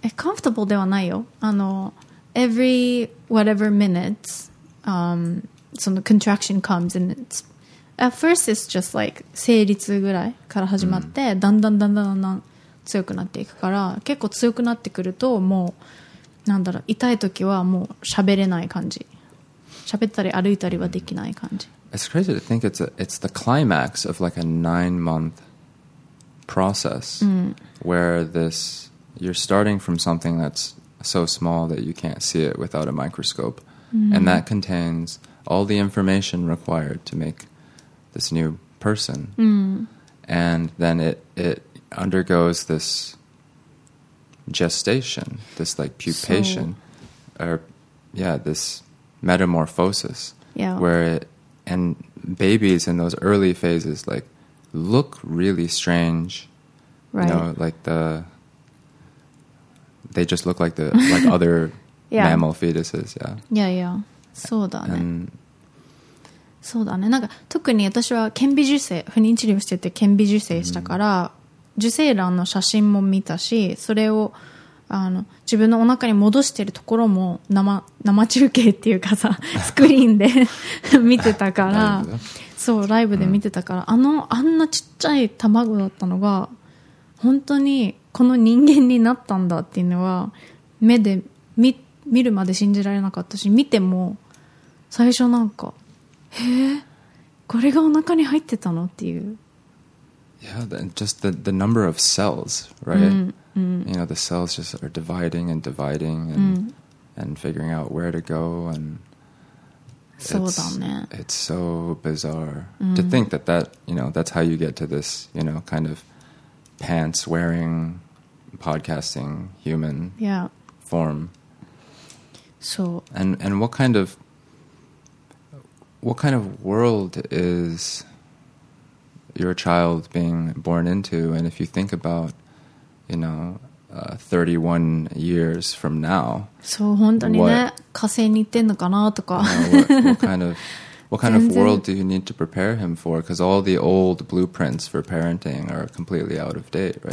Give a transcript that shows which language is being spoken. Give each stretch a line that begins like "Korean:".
Japanese: Comfortable ではないよ。あの、
English: every whatever minutes,
Japanese: その
English: contraction comes and it's, at first it's just like
Japanese: 生理痛ぐらいから始まって、だんだんだんだんだんだん強くなっていくから、結構強くなってくるともう、なんだろう、痛い時はもう喋れない感じ。喋ったり歩いたりはできない感じ。
English: It's crazy to think it's the climax of like a 9-month process. Where this, you're starting from something that's so small that you can't see it without a microscope. And that contains all the information required to make this new person. And then it undergoes this gestation, this like pupation, this metamorphosis. Yeah. Where it, and babies in those early phases like look really strange. Right. You know, like they just look like like other mammal fetuses,
Japanese: Yeah. そうだね。そうだね。なんか特に私は顕微授精、不妊治療してて顕微授精したから、受精卵の写真も見たし、それをあの自分のお腹に戻してるところも生中継っていうかさ、スクリーンで見てたから、そうライブで見てたから、あのあんなちっちゃい卵だったのが。本当にこの人間になったんだっていうのは目で 見るまで信じられなかったし、見ても最初なんかへえこれがお腹に入ってたのっていう。
English: Yeah, just the number of cells, right?、Mm-hmm. You know, the cells just are dividing and dividing and,、mm-hmm. and figuring out where to go and
Japanese: そうだね。
English: It's so bizarre、mm-hmm. to think that that, you know, that's how you get to this, you know, kind of pants wearing podcasting human、 yeah. form. So and what kind ofWhat kind of world is your child being born into? And if you think about, you know, 31 years from now,
Japanese: そう本当にね、火星に行ってんのかなとか。
English: You know, what kind of world do you need to prepare him for? Because all the old blueprints for parenting are completely out of date, right?